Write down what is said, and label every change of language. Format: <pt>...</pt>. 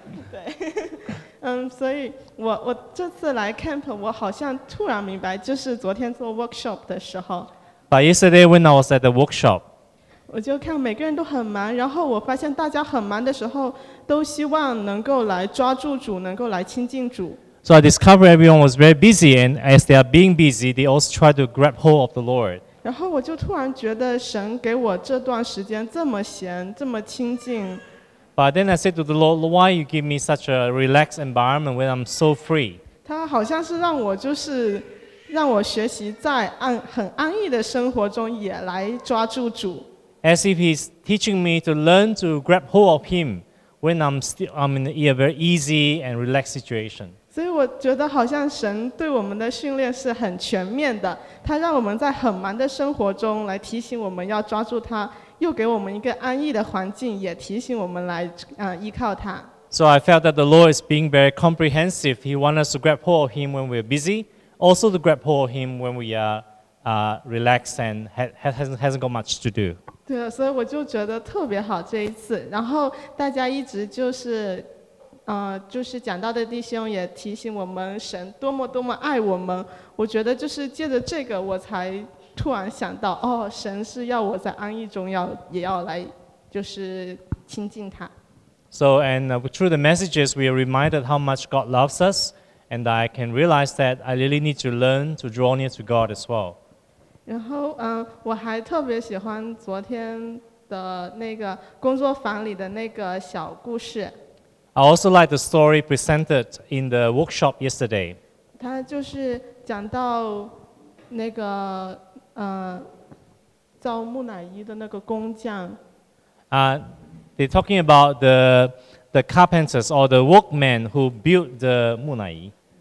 <zh>对，所以我这次来 camp， 我好像突然明白，就是昨天做 workshop 的时候。</zh> <en>But yesterday when I was at the workshop.</en> <zh>我就看每个人都很忙，然后我发现大家很忙的时候都希望能够来抓住主，能够来亲近主。</zh> <en>So I discovered everyone was very busy, and as they are being busy, they also try to grab hold of the Lord.</en> <zh>然后我就突然觉得神给我这段时间这么闲这么亲近，</zh> <en>But then I said to the Lord, why you give me such a relaxed environment when I'm so free?</en> <zh>他好像是让我就是让我学习在安很安逸的生活中也来抓住主。</zh> <en>As if he's teaching me to learn to grab hold of him when I'm in a very easy and relaxed situation.</en> <zh>所以我觉得好像神对我们的训练是很全面的，他让我们在很忙的生活中来提醒我们要抓住他，又给我们一个安逸的环境，也提醒我们来依靠他。</zh> <en>So I felt that the Lord is being very comprehensive. He wants us to grab hold of him when we're busy, also to grab hold of him when we are relaxed and hasn't got much to do.</en> <zh>对，所以我就觉得特别好这一次。然后大家一直就是，就是讲到的弟兄也提醒我们神多么多么爱我们。我觉得就是借着这个，我才突然想到，哦，神是要我在安逸中要也要来就是亲近他。</zh> <en>So, and through the messages, we are reminded how much God loves us, and I can realize that I really need to learn to draw near to God as well.</en> <zh>然后，我还特别喜欢昨天的那个工作坊里的那个小故事。</zh> <en>I also like the story presented in the workshop yesterday.</en> <zh>它就是讲到那个，造木乃伊的那个工匠。</zh> <en>They're talking about the carpenters or the workmen who built the 木乃伊。</en>